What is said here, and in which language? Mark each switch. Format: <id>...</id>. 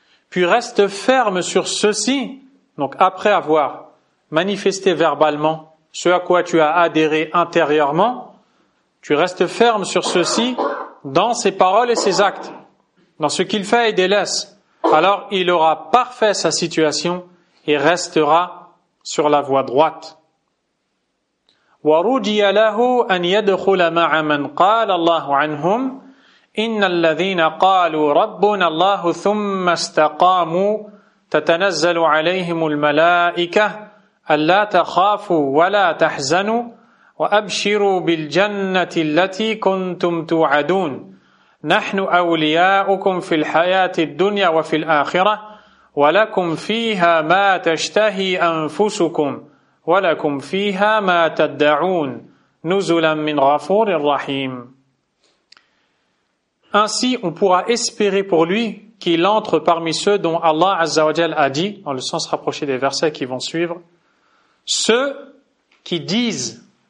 <fr>Puis reste ferme sur ceci. Donc après avoir manifesté verbalement ce à quoi tu as adhéré intérieurement, tu restes ferme sur ceci dans ses paroles et ses actes, dans ce qu'il fait et délaisse. Alors il aura parfait sa situation et restera sur la voie droite.</fr> <ar>ورضي له ان يدخل مع من قال الله عنهم ان الذين قالوا ربنا الله ثم استقاموا تتنزل عليهم الملائكه الا تخافوا ولا تحزنوا وابشروا بالجنه التي كنتم توعدون نحن اولياؤكم في الحياه الدنيا وفي الاخره ولكم فيها ما تشتهي انفسكم وَلَكُمْ فِيهَا مَا تَدَّعُونَ نُزُلًا مِّنْ غَفُورٍ رَّحِيمٍ.</ar> <fr>Ainsi, on pourra espérer pour lui qu'il entre parmi ceux dont Allah Azza wa Jal a dit, dans le sens rapproché des versets qui vont suivre, ceux qui disent.</fr>